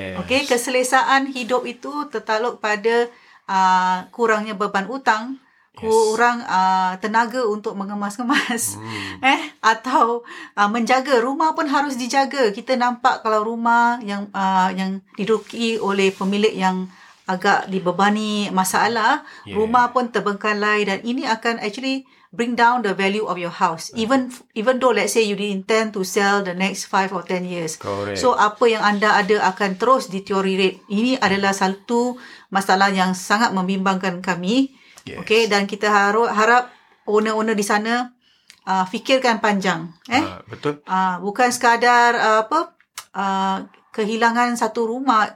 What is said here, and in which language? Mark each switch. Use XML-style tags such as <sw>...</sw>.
<ms>Okay, keselesaan hidup itu tertakluk pada kurangnya beban utang, kurang tenaga untuk mengemas-kemas, atau menjaga rumah pun harus dijaga. Kita nampak kalau rumah yang yang diduki oleh pemilik yang agak dibebani masalah, rumah pun terbengkalai dan ini akan actually</ms> <en>bring down the value of your house. Even though let's say you intend to sell the next 5 or 10 years. Correct.</en> <ms>So apa yang anda ada akan terus deteriorate. Ini adalah satu masalah yang sangat membimbangkan kami. Okay, dan kita harap owner-owner di sana fikirkan panjang. Betul. Bukan sekadar kehilangan satu rumah.</ms>